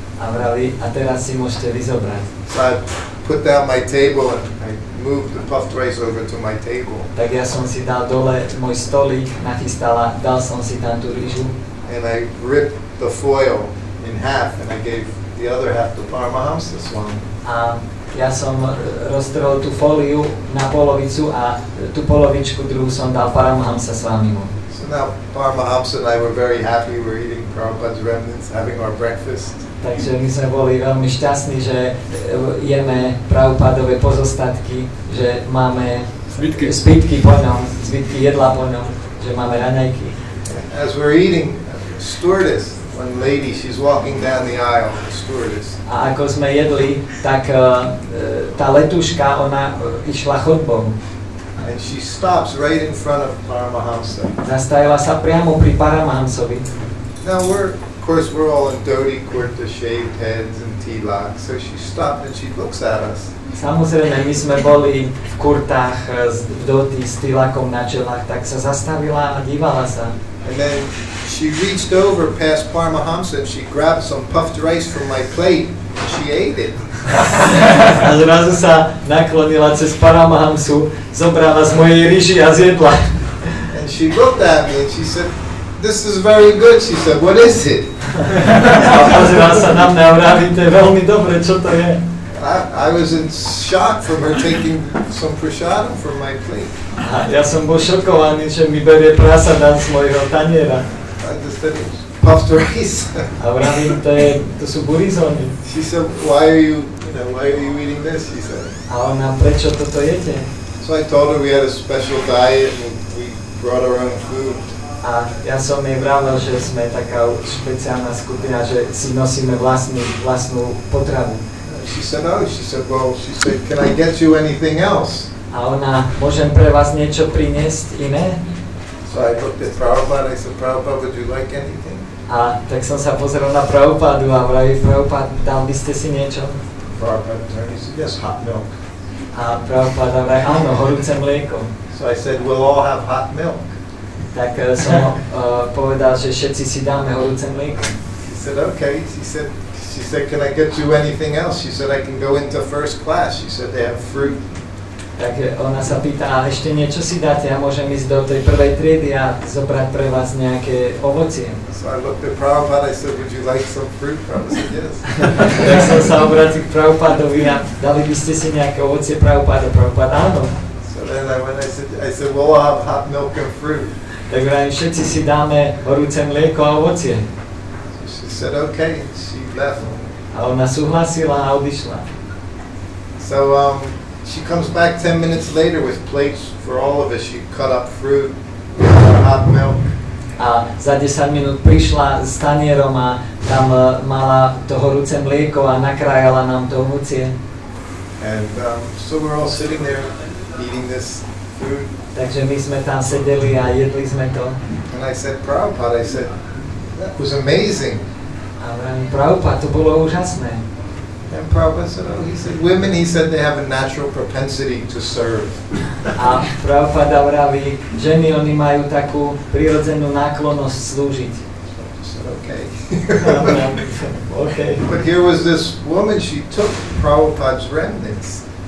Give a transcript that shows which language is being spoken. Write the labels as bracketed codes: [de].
[sk] A vraví, a teraz si môžete vyzobrať. [en] So I put down my table and I moved the puffed rice over to my table. [sk] Tak ja som si dal dole môj stolík, nachystal a dal som si tam tú rýžu. [en] And I ripped the foil in half and I gave the other half to Paramahamsa Swami. [sk] A ja som roztrhol tú fóliu na polovicu a tú polovičku druhú som dal Paramahamsa Swamimu. [en] So now Paramahamsa and I were very happy, we were eating Prabhupada's remnants, having our breakfast. [sk] Takže my sme boli veľmi šťastní, že jeme Prabhupádove pozostatky, že máme zbytky po ňom, zbytky jedla po ňom, že máme raňajky. [en] As we're eating, stewardess, one lady, she's walking down the aisle, stewardess. [sk] A ako sme jedli, tak tá letuška, ona išla chodbou. [en] And she stops right in front of Paramahamsa. [sk] Zastavila sa priamo pri Paramahamsovi. [en] Now we're, of course, we're all in dhoti, kurta, shaved heads and tilak. So she stopped and she looks at us. [sk] Samozrejme, my sme boli v kurtách, v dhoti, s tilakom na čelách, tak sa zastavila a dívala sa. [en] And then she reached over past Paramahamsa and she grabbed some puffed rice from my plate and she ate it. [sk] A zrazu sa naklonila cez Paramahamsu, zobrala z mojej ryži a zjedla. [en] And she looked at me and she said, this is very good, she said, what is it? [sk] A pozrela sa na mňa a vraví, to je veľmi dobre, čo to je? [en] I was in shock from her taking some prasadam from my plate. [sk] A ja som bol šokovaný, že mi berie prasadam z mojho taniera. [en] I just said, puffed rice. [sk] A vraví, to sú burizóny. [en] She said, why are you eating this? She said. [sk] A ona, prečo toto jete? [en] So I told her we had a special diet and we brought our own food. [sk] A ja som jej vravil, že sme taká špeciálna skupina, že si nosíme vlastnú potravu. [en] She said, oh, she said, well, she said, can I get you anything else? [sk] A ona, môžem pre vás niečo priniesť iné? [en] So I looked at Prabhupada and I said, Prabhupada, would you like anything? [sk] A tak som sa pozrel na Prabhupadu a vraví, Prabhupada, dal by ste si niečo? [en] Prabhupada turned, he said, yes, hot milk. [sk] A Prabhupada vraví, áno, horúce mlieko. [en] So I said, we'll all have hot milk. [sk] Tak som povedal, že všetci si dáme horúce mlieko. [en] She said, okay. She said, can I get you anything else? She said, I can go into first class. She said, they have fruit. [sk] Tak ona sa pýta, a ešte niečo si dáte? Ja môžem ísť do tej prvej triedy a zobrať pre vás nejaké ovocie. [en] So I looked at Prabhupada, I said, would you like some fruit? Prabhupada said, yes. [sk] Tak som sa obrátil k Prabhupadovi a dali by ste si nejaké ovocie Prabhupada? Prabhupada, áno. [en] So And I went, I said, well, I'll have hot milk and fruit. [sk] Tak vrajím, všetci si dáme horúce mlieko a ovocie. [en] She said, okay, she left. [sk] A ona súhlasila a odišla. [en] So, she comes back 10 minutes later with plates for all of us. She cut up fruit, hot milk. [sk] A za 10 minút prišla s tanierom a tam mala to horúce mlieko a nakrájala nám to ovocie. [en] And so we're all sitting there eating this food. [sk] Takže my sme tam sedeli a jedli sme to. [en] And I said, Prabhupada, I said, that was amazing. [sk] A vravím, Prabhupada, to bolo úžasné. [en] And Prabhupada said, oh, he said, women, he said, they have a natural propensity to serve. [sk] A Prabhupada vraví, ženy, oni majú takú prirodzenú náklonnosť slúžiť. [en] Okay. But here was this woman, she took Prabhupada's remnants.